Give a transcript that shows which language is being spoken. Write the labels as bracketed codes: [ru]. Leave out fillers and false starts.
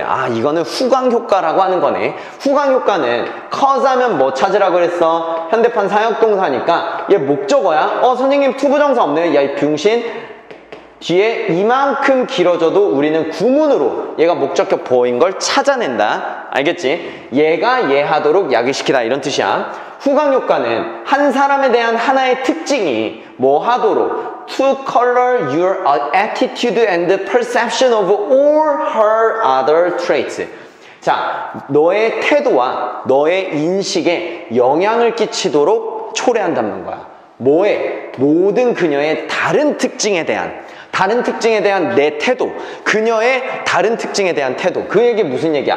[ko] 아, 이거는 후광 효과라고 하는 거네. 후광 효과는 cause 하면 뭐 찾으라고 그랬어? 현대판 사역동사니까 얘 목적어야. 선생님 투부정사 없네. 야, 이 병신. 뒤에 이만큼 길어져도 우리는 구문으로 얘가 목적격 보호인 걸 찾아낸다. 알겠지? 얘가 얘하도록 야기시키다 이런 뜻이야. 후광효과는 한 사람에 대한 하나의 특징이 뭐 하도록, [en] to color your attitude and perception of all her other traits. [ko] 자, 너의 태도와 너의 인식에 영향을 끼치도록 초래한다는 거야. 뭐에? 모든 그녀의 다른 특징에 대한, 다른 특징에 대한 내 태도, 그녀의 다른 특징에 대한 태도. 그 얘기 무슨 얘기야?